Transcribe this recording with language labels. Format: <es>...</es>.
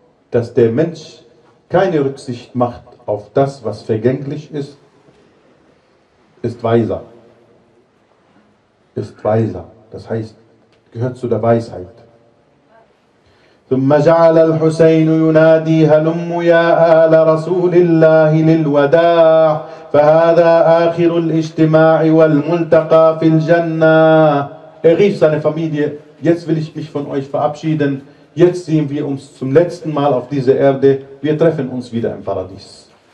<de>Dass der Mensch keine Rücksicht macht auf das, was vergänglich ist, ist weiser. Ist weiser. Das heißt, gehört zu der Weisheit.</de> <ar>ثم جعل الحسين ينادي هلم يا آل رسول الله للوداع فهذا آخر الاجتماع والملتقى في الجنة.</ar> <de>Rief seine Familie, jetzt will ich mich von euch verabschieden, jetzt sehen wir uns zum letzten Mal auf dieser Erde, wir treffen uns wieder im Paradies.</de>